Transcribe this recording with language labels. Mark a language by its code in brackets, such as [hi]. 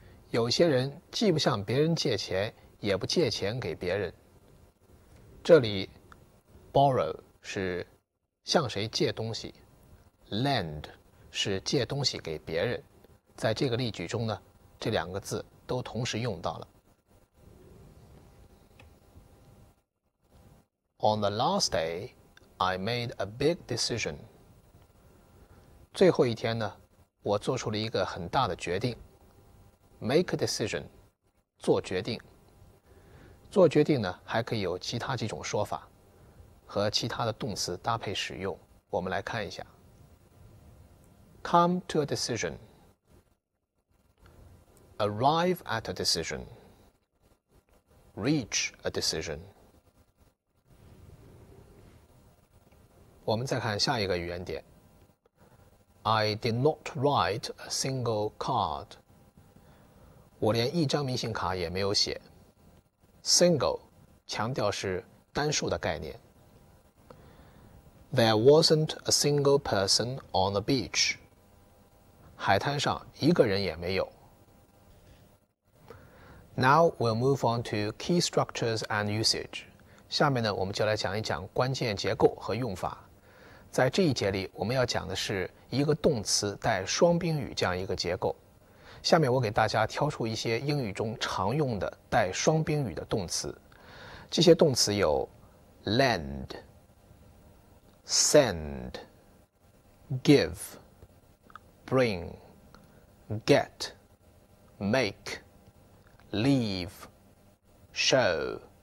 [zh] 有些人既不向别人借钱，也不借钱给别人。这里 borrow 是向谁借东西， lend 是借东西给别人。在这个例句中呢，这两个字都同时用到了。 [en] On the last day I made a big decision. [zh] 最后一天呢，我做出了一个很大的决定。 [en] Make a decision [zh] 做决定。做决定呢，还可以有其他几种说法，和其他的动词搭配使用。我们来看一下。 [en] Come to a decision. Arrive at a decision. Reach a decision. [zh] 我们再看下一个原点。 [en] I did not write a single card. [zh] 我连一张明信卡也没有写。 Single 强调是单数的概念。 [en] There wasn't a single person on the beach. [zh] 海滩上一个人也没有。 [en] Now we'll move on to key structures and usage. [zh] 下面呢我们就来讲一讲关键结构和用法。在这一节里我们要讲的是一个动词带双宾语这样一个结构。下面我给大家挑出一些英语中常用的带双宾语的动词。这些动词有 lend, send, give, bring, get, make, leave, show。